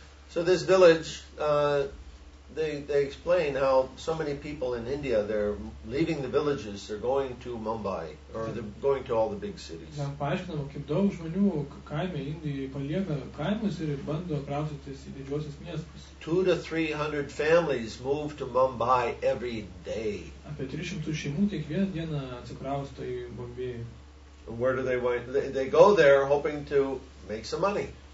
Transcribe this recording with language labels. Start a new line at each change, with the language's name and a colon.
English: So this village, they explain how so many people in India, they're leaving the villages, they're going to Mumbai, or they're going to all the big cities.
Lithuanian: Jam paaiškinama, kaip daug žmonių kaime Indijoje palieka kaimus ir bando kraustytis į didžiuosius miestus.
English: 200 to 300 families move to Mumbai every day.
Lithuanian: Apie 300 šeimų kiekvieną dieną atsikrausto į Bombėjų.
English: Where do they want? They go there hoping to make some money.